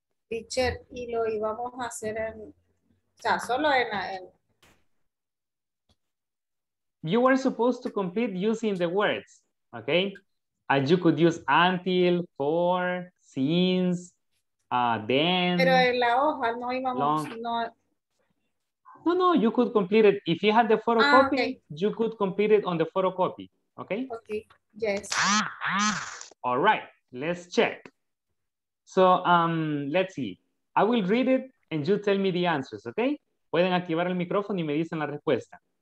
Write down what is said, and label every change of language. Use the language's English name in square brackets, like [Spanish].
[Spanish] Teacher, y lo íbamos a hacer en, o sea, solo en la, en... [English] You were supposed to complete using the words, okay? And you could use until, for, since, then. [Spanish] Pero en la hoja no íbamos, long. No... [English] No, no, you could complete it. If you had the photocopy, you could complete it on the photocopy. Okay? Okay, yes. All right, let's check. So, let's see. I will read it and you tell me the answers, okay? [Spanish] Pueden activar el micrófono y me dicen la respuesta.